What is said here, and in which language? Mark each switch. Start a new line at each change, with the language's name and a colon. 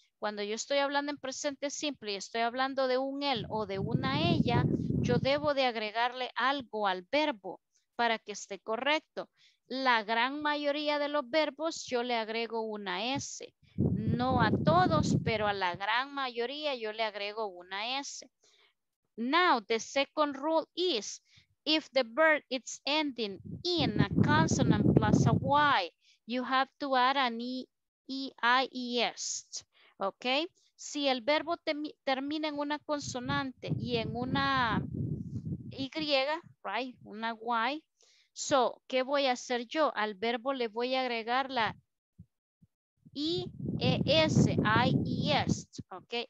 Spanish: Cuando yo estoy hablando en presente simple y estoy hablando de un él o de una ella, yo debo de agregarle algo al verbo para que esté correcto. La gran mayoría de los verbos yo le agrego una S. No a todos, pero a la gran mayoría yo le agrego una S.
English: Now, the second rule is, if the verb is ending in a consonant plus a Y, you have to add an E-I-E-S. ¿Ok?
Spanish: Si el verbo termina en una consonante y en una Y, right? Una Y. So, ¿qué voy a hacer yo? Al verbo le voy a agregar la I-E-S, I-E-S, ¿ok?